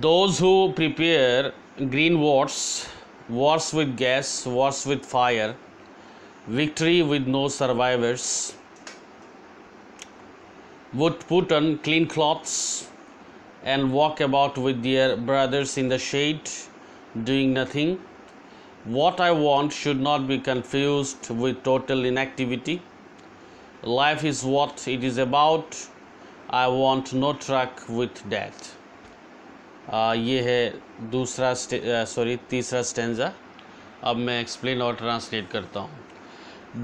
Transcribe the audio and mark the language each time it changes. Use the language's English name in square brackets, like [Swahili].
[English] Those who prepare green wars, wars with gas, wars with fire, victory with no survivors, would put on clean clothes and walk about with their brothers in the shade, doing nothing. What I want should not be confused with total inactivity. Life is what it is about. I want no truck with death. [Hindi] ये है दूसरा तीसरा stanza. अब मैं explain और translate करता हूँ।